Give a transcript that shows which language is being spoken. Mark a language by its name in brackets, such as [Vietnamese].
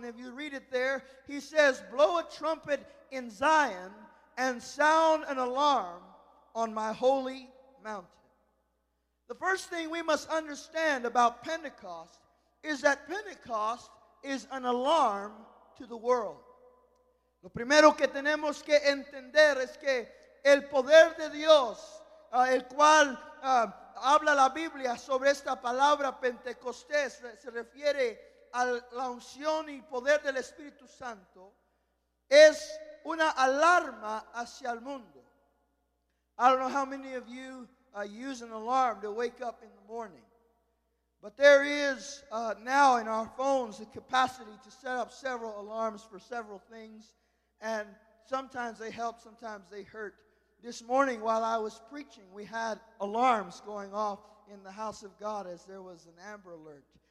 [English] And if you read it there, he says, blow a trumpet in Zion and sound an alarm on my holy mountain. The first thing we must understand about Pentecost is that Pentecost is an alarm to the world. [Spanish] Lo primero que tenemos que entender es que el poder de Dios, el cual habla la Biblia sobre esta palabra Pentecostés, se refiere a la unción y poder del Espíritu Santo, es una alarma hacia el mundo. [English] I don't know how many of you use an alarm to wake up in the morning. But there is now in our phones the capacity to set up several alarms for several things. And sometimes they help, sometimes they hurt. This morning while I was preaching, we had alarms going off in the house of God as there was an Amber Alert.